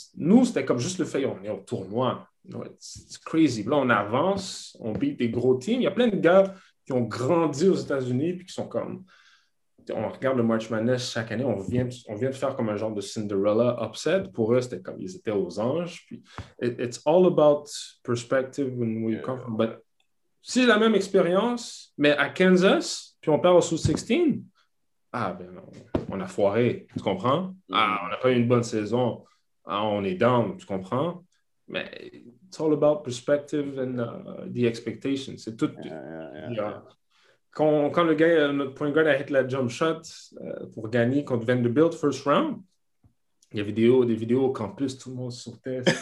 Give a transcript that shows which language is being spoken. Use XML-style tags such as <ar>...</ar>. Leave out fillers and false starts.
<fr>Nous, c'était comme juste le fait, on est au tournoi.</fr> <en>It's crazy.</en> <fr>Là, on avance, on beat des gros teams. Il y a plein de gars qui ont grandi aux États-Unis puis qui sont comme, on regarde le March Madness chaque année, on vient de faire comme un genre de Cinderella upset. Pour eux, c'était comme, ils étaient aux anges. Puis</fr> <en>it's all about perspective when we come from.</en> <fr>But c'est la même expérience, mais à Kansas, puis on perd au Sweet 16, on a foiré, tu comprends? Ah, on n'a pas eu une bonne saison. Ah, on est down, tu comprends? Mais</fr> <en>it's all about perspective and the expectations.</en> <fr>C'est tout. Quand le gars, notre point guard a hit la jump shot pour gagner contre Vanderbilt first round, il y a des vidéos au campus, tout le monde sortait.</fr>